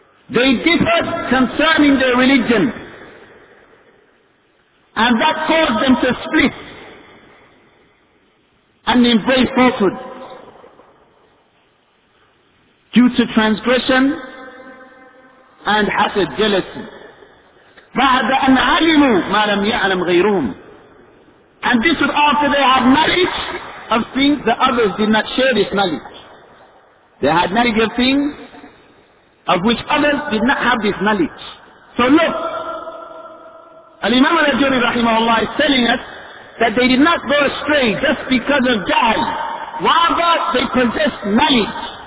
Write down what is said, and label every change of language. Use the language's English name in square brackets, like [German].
[English] They differed concerning their religion. And that caused them to split and embrace falsehood due to transgression and hasad, jealousy. [Arabic] بعد أن علموا ما لم يعلم غيرهم. [English] And this was after they had knowledge of things that others did not share this knowledge. They had knowledge of things of which others did not have this knowledge. So look, Al-Imam Al-Ajurri rahimahullah is telling us that they did not go astray just because of jahl. Rather, they possessed knowledge